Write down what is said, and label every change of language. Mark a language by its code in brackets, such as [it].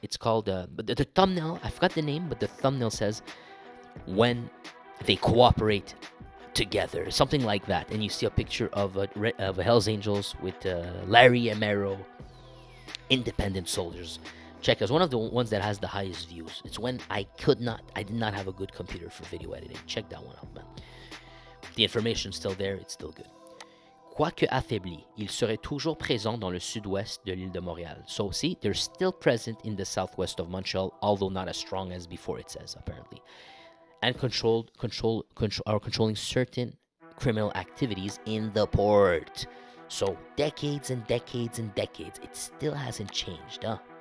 [en] It's called, the thumbnail, I forgot the name, but the thumbnail says, when they cooperate together, something like that, and you see a picture of a Hells Angels with Larry Amaro, independent soldiers. Check as one of the ones that has the highest views. It's when I did not have a good computer for video editing. Check that one out, man. The information's still there. It's still good. [fr] Quoique affaibli, il serait toujours présent dans le sud-ouest de l'île de Montréal. [en] So see, they're still present in the southwest of Montreal, although not as strong as before. It says apparently. And controlling certain criminal activities in the port. So decades and decades and decades, it still hasn't changed, huh?